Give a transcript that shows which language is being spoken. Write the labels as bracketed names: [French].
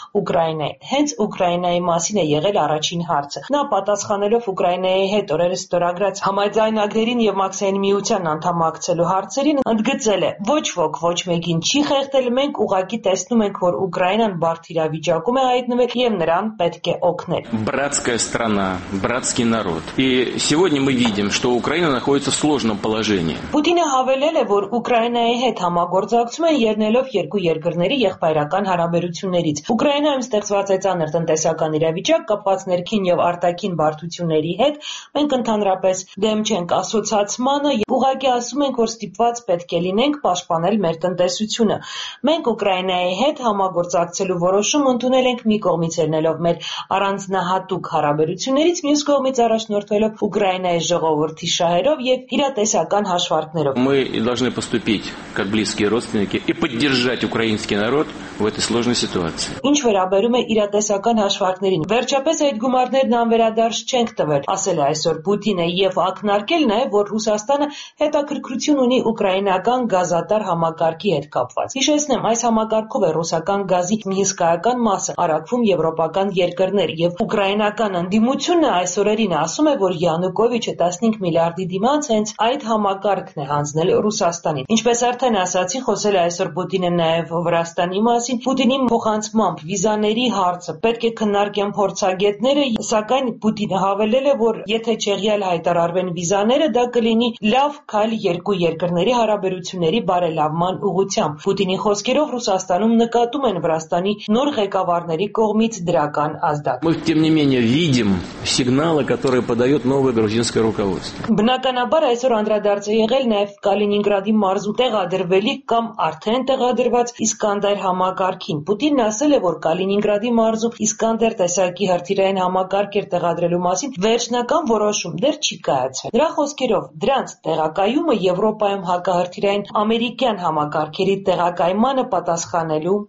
[Armenian] Ուկրաինայի։ Հենց Ուկրաինայի մասին է եղել առաջին հարցը։ Նա պատասխանելով Ուկրաինայի հետ օրերս ստորագրած համաձայնագրերին և Մաքսային միության անդամակցելու հարցերին ընդգծել է, ոչ ոք ոչ մեկին չի խեղդել, մենք ուղղակի տեսնում ենք, որ Ուկրաինան բարդ իրավիճակում է հայտնվել և նրան պետք է օգնել։ [Russian] Братская страна, братский народ. И сегодня мы видим, что Украина находится в сложном положении. [Armenian] Պուտինը հավելել է, որ Ուկրաինայի հետ համագործակցում են ելնելով երկու երկրների եղբայրական հարաբերություններից։ Ուկրաինայում ստեղծված է ծանր տնտեսական իրավիճակ կապված ներքին և արտաքին բարդությունների հետ, մենք ընդհանրապես դեմ չենք ասոցացմանը, և ուղղակի ասում ենք, որ ստիպված պետք է լինենք պաշտպանել մեր տնտեսությունը։ Մենք Ուկրաինայի հետ համագործակցելու որոշում ընդունել ենք, մի կողմից ելնելով մեր առանձնահատուկ հարաբերություններից, մյուս կողմից առաջնորդվելով Ուկրաինայի ժողովրդի շահերով եւ իրատեսական հաշվարկներով։ [Russian] Мы должны поступить как близкие родственники и поддержать украинский народ в этой сложной ситуации։ [Armenian] Ինչ վերաբերում է իրատեսական հաշվարկներին, վերջապես այդ գումարներն անվերադարձ չենք տվել, ասել է այսօր Պուտինը, եւ ակնարկել նաեւ, որ Ռուսաստանը հետաքրքրություն ունի ուկրաինական գազատար համակարգի հետ կապված։ Հիշեցնեմ, այս համակարգով է ռուսական գազի հիսկայական մասը արակվում եվրոպական երկրներ, և ուկրաինական ընդդիմությունը այսօրերին ասում է, որ Յանուկովիչը 15 միլիարդի դիմաց հենց այդ համակարգն է հանձնել Ռուսաստանին։ Ինչպես արդեն ասացի, խոսել է այսօր Պուտինը նաև Վրաստանի մասին, Պուտինի փոխանցմամբ վիզաների հարցը պետք է քննարկեն փորձագետները, սակայն Պուտինը հավելել է, որ եթե չեղյալ հայտարարվեն վիզաները, դա կլինի լավ քայլ երկու երկրների հարաբերությունների բարելավման ուղությամբ։ Պուտինի խոսքերով Ռուսաստանում նկատում են Վրաստանի նոր ղեկավարների կողմից դրական ազդակ։ [Russian] Мы тем не менее видим сигналы, которые подаёт новое грузинское руководство։ [Armenian] Բնականաբար այսօր անդրադարձ է եղել նաև Կալինինգրադի մարզում տեղադրվելի կամ արդեն տեղադրված Իսկանդեր համակարգին։ Պուտինն ասել է, որ Կալինինգրադի մարզում Իսկանդեր տեսակի հրթիռային համակարգ տեղադրելու մասին վերջնական որոշում դեռ չի կայացել։ Նրա խոսքերով դրանց տեղակայումը Եվրոպայում հակահրթիռային ամերիկյան համակարգերի տեղակայմանը պատասխանելու